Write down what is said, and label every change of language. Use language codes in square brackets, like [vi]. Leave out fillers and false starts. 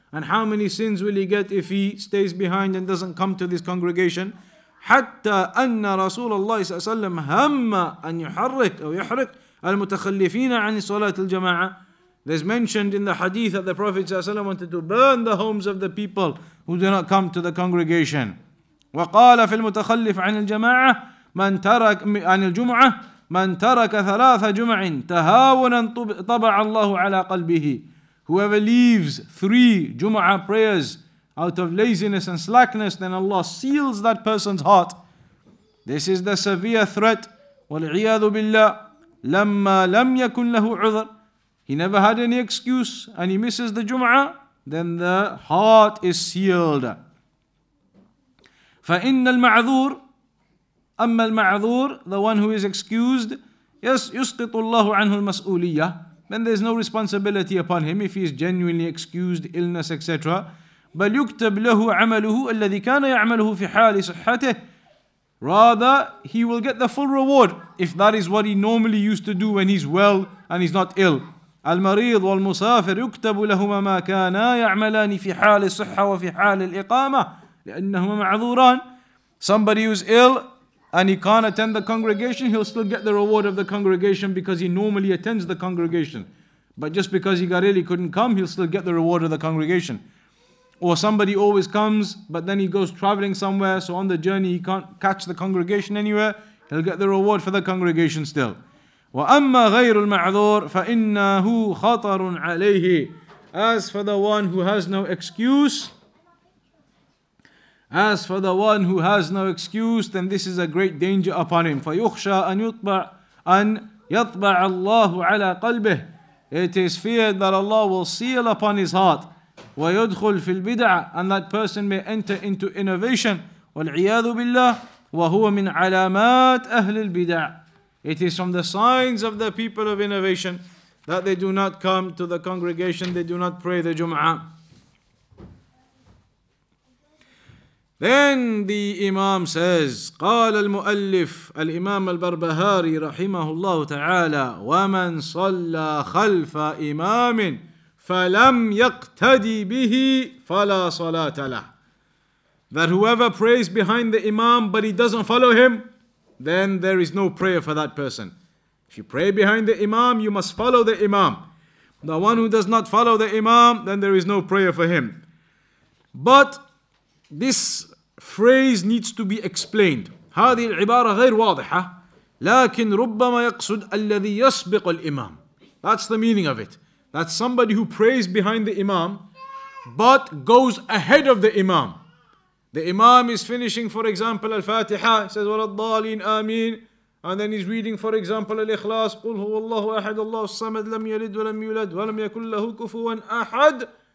[en] And how many sins will he get if he stays behind and doesn't come to this congregation? [ar] حَتَّى أَنَّ رَسُولَ اللَّهِ صَلَّى اللَّهُ عَلَيْهِ وَسَلَّمَ هَمَّ أَنْ يُحَرِّكْ أَوْ يَحْرِكْ المتخلفين عن صلاة الجماعة. [en] There's mentioned in the hadith that the Prophet ﷺ wanted to burn the homes of the people who do not come to the congregation. [ar] وقال في المتخلف عن الجماعة من ترك عن الجمعة من ترك ثلاث جمع تهاونا طبع الله على قلبه. [en] Whoever leaves three Jum'ah prayers out of laziness and slackness, then Allah seals that person's heart. This is the severe threat. [ar] والعياذ بالله. لما لم يكن له عذر. [en] He never had any excuse and he misses the Jum'ah, then the heart is sealed. [ar] فإن المعذور أما المعذور, [en] the one who is excused, yes, [ar] يسقط الله عنه المسؤولية, [en] then there is no responsibility upon him if he is genuinely excused, illness, etc. [ar] بل يكتب له عمله الذي كان يعمله في حال صحته. [en] Rather, he will get the full reward if that is what he normally used to do when he's well and he's not ill. [ar] المريض والمسافر يكتب لهما ما كانا يعملان في حال الصحة وفي حال الإقامة لأنهما معذوران. [en] Somebody who's ill and he can't attend the congregation, he'll still get the reward of the congregation because he normally attends the congregation. But just because he got ill, he couldn't come, he'll still get the reward of the congregation. Or somebody always comes, but then he goes traveling somewhere, so on the journey he can't catch the congregation anywhere, he'll get the reward for the congregation still. [ar] وَأَمَّا غَيْرُ الْمَعْذُورِ فَإِنَّهُ خَطَرٌ عَلَيْهِ. [en] As for the one who has no excuse, as for the one who has no excuse, then this is a great danger upon him. [ar] فَيُخْشَى أَنْ يَطْبَعَ اللَّهُ عَلَى قَلْبِهِ. [en] It is feared that Allah will seal upon his heart. [ar] ويدخل في البدعة, [en] and that person may enter into innovation. [ar] والعياذ بالله وهو من علامات أهل البدع. [en] It is from the signs of the people of innovation that they do not come to the congregation, they do not pray the Jum'ah. Then the Imam says, [ar] قال المؤلف الإمام البربهاري رحمه الله تعالى ومن صلى خلف إمام فَلَمْ يَقْتَدِي بِهِ فَلَا صَلَاةَ لَهُ. [en] That whoever prays behind the imam but he doesn't follow him, then there is no prayer for that person. If you pray behind the imam, you must follow the imam. The one who does not follow the imam, then there is no prayer for him. But this phrase needs to be explained. [ar] هذه العبارة غير واضحة. لكن ربما يقصد الذي يسبق الإمام. [en] That's the meaning of it. That's somebody who prays behind the imam, but goes ahead of the imam. The imam is finishing, for example, Al-Fatiha. He says, [ar] وَلَضَّالِينَ آمِينَ. [en] And then he's reading, for example, Al-Ikhlas. [ar] قُلْ هُوَ اللَّهُ أَحَدُ اللَّهُ الصَّمَدُ لَمْ يَلِدْ وَلَمْ يُولَدْ وَلَمْ يَكُنْ لَهُ كُفُوًا أَحَدٌ.